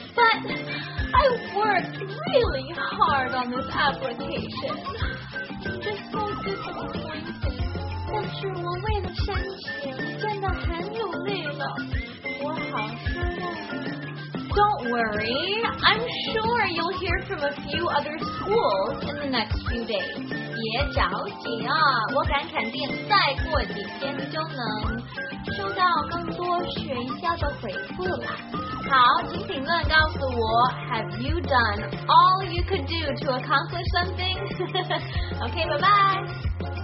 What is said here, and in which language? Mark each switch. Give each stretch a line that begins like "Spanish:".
English: ButI worked really hard on this application. I'm just so disappointed.
Chinese: 但是我为了申请真的很努力了。我好失望。
English: Don't worry. I'm sure you'll hear from a few other schools in the next few days.
Chinese: 别着急啊，我敢肯定再过几天就能收到更多学校的回复了。好，请评论告诉我
English: ，Have you done all you could do to accomplish something? OK, bye bye.